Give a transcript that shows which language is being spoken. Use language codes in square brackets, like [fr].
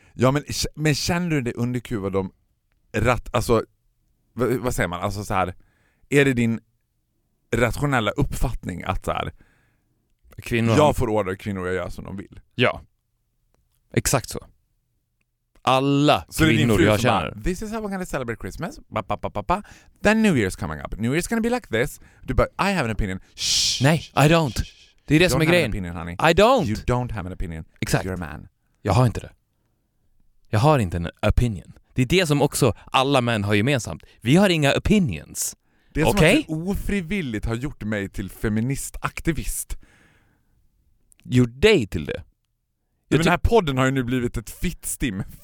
[sv] Ja, men känner du dig underkuvad om rätt, alltså vad säger man? Alltså så här, är det din rationella uppfattning att så här, kvinnor, jag får order kvinnor jag gör som de vill? Ja. Exakt så. Alla kvinnor jag känner. [en] Bara, this is how we're going to celebrate Christmas. Ba, ba, ba, ba, ba. Then New Year's coming up. New Year's going to be like this. [sv] Du bara, [en] I have an opinion. Shh. [sv] Nej, [en] I don't. [sv] Det är det som är grejen. [en] You don't have an opinion, honey. I don't. You don't have an opinion. [sv] Exakt. [en] You're a man. [sv] Jag har inte det. Jag har inte en opinion. Det är det som också alla män har gemensamt. Vi har inga opinions. Det är okay? Som att du ofrivilligt har gjort mig till feministaktivist. Gjort dig till det. Ja, men den här podden har ju nu blivit ett fitt stim.